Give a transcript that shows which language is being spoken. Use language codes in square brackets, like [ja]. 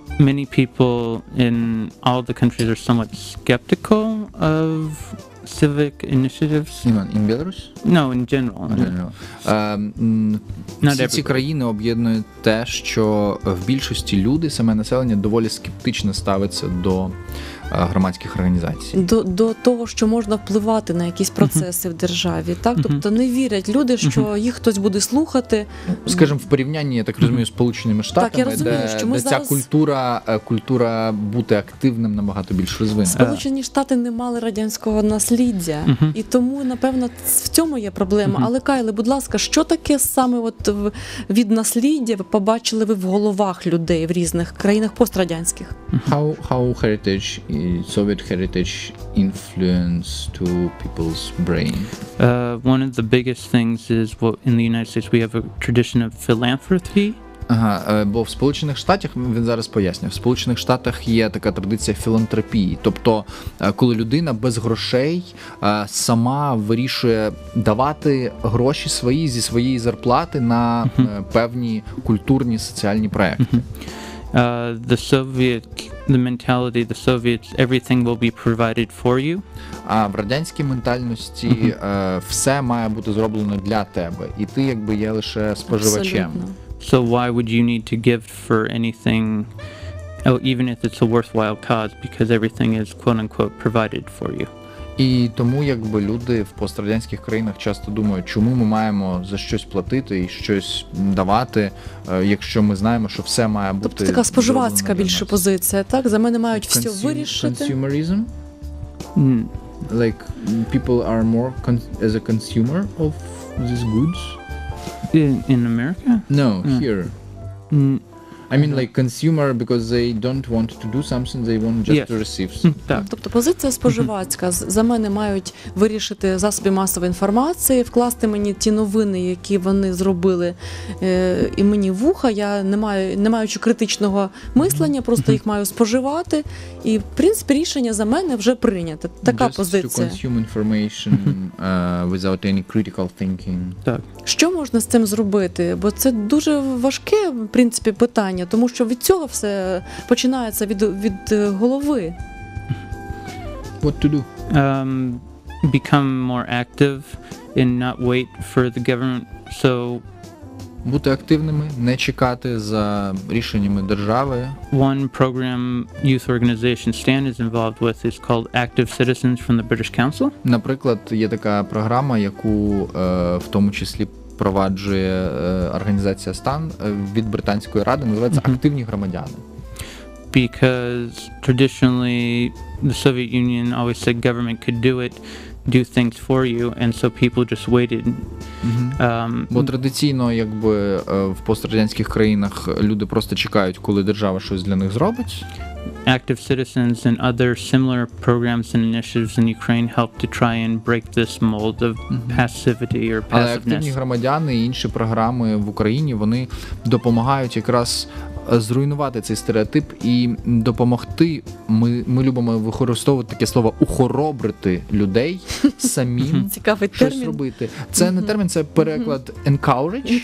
[en] Many people in all the countries are somewhat skeptical of civic initiatives. In Belarus? No, in general. [uk] Ці країни об'єднує те, що в більшості люди, саме населення, доволі скептично ставиться до громадських організацій. До того, що можна впливати на якісь процеси в державі, так? Тобто не вірять люди, що їх хтось буде слухати. Скажімо, в порівнянні, я так розумію, з Сполученими Штатами, де ця культура бути активним набагато більш розвинена. Сполучені Штати не мали радянського насліддя, і тому, напевно, в цьому є проблема. Але, Кайле, будь ласка, що таке саме от від насліддя ви побачили ви в головах людей в різних країнах пострадянських? [en] How heritage Soviet heritage influence to people's brain? One of the biggest things is what in the United States we have a tradition of philanthropy. [uk] Ага, бо в Сполучених Штатах, він зараз пояснює, в Сполучених Штатах є така традиція філантропії. Тобто, коли людина без грошей сама вирішує давати гроші свої зі своєї зарплати на певні культурні, соціальні проекти. [en] The Soviet, the mentality, the Soviets, everything will be provided for you. [uk] А в радянській ментальності все має бути зроблено для тебе, і ти якби є лише споживачем. Абсолютно. [en] So why would you need to give for anything, even if it's a worthwhile cause, because everything is quote-unquote provided for you? [uk] І тому якби люди в пострадянських країнах часто думають, чому ми маємо за щось платити і щось давати, якщо ми знаємо, що все має бути... Тобто така споживацька більше позиція, так? За мене мають все вирішити. [en] Consumerism? Like, people are more as a consumer of these goods? In America? No, here. I mean, like consumer, because they don't want to do something, they want just to receive. [uk] Так. Тобто позиція споживацька. За мене мають вирішити засоби масової інформації, вкласти мені ті новини, які вони зробили і мені вуха. Я не маючи критичного мислення, просто їх маю споживати. І, в принципі, рішення за мене вже прийнято. Така [en] just [uk] позиція. [en] Just to consume information without any critical thinking. [uk] Так. Що можна з цим зробити? Бо це дуже важке, в принципі, питання. Тому що від цього все починається від голови. [en] What to do? Become more active and not wait for the government. So [uk] бути активними, не чекати за рішеннями держави. [en] One program youth organization Stan is involved with is called Active Citizens from the British Council. [uk] Наприклад, є така програма, яку в тому числі проваджує організація Стан від Британської ради, називається Активні громадяни. [en] Because traditionally the Soviet Union always said government could do it, do things for you, and so people just waited. [uk] Бо традиційно, якби в пострадянських країнах люди просто чекають, коли держава щось для них зробить. [en] Active citizens and other similar programs and initiatives in Ukraine help to try and break this mold of passivity or passiveness. [uk] Але активні громадяни і інші програми в Україні, вони допомагають якраз зруйнувати цей стереотип і допомогти, ми любимо використовувати таке слово, ухоробрити людей самим цікавий щось термін робити. Це не термін, це переклад encourage.